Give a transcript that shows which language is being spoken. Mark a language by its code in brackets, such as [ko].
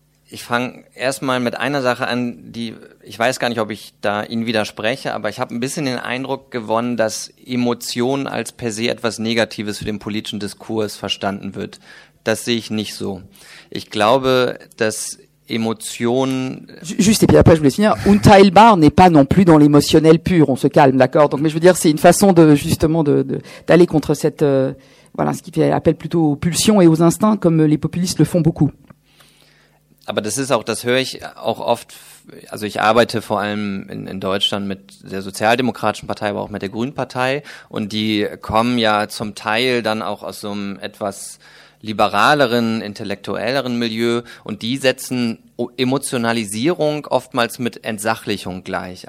[de] Ich fange erstmal mit einer Sache an, die ich weiß gar nicht, ob ich da Ihnen widerspreche, aber ich habe ein bisschen den Eindruck gewonnen, dass Emotion als per se etwas Negatives für den politischen Diskurs verstanden wird. Das sehe ich nicht so. Ich glaube, dass Emotion. [fr] Juste, et puis après, je voulais finir. Unteilbar n'est pas non plus dans l'émotionnel pur. On se calme, d'accord? Donc, mais je veux dire, c'est une façon de, justement, d'aller contre cette, voilà, ce qui fait appel plutôt aux pulsions et aux instincts, comme les populistes le font beaucoup. [de] Aber das ist auch, das höre ich auch oft. Also, ich arbeite vor allem in Deutschland mit der Sozialdemokratischen Partei, aber auch mit der Grünen Partei. Und die kommen ja zum Teil dann auch aus so einem etwas, liberaleren, intellektuelleren Milieu und die setzen Emotionalisierung oftmals mit Entsachlichung gleich.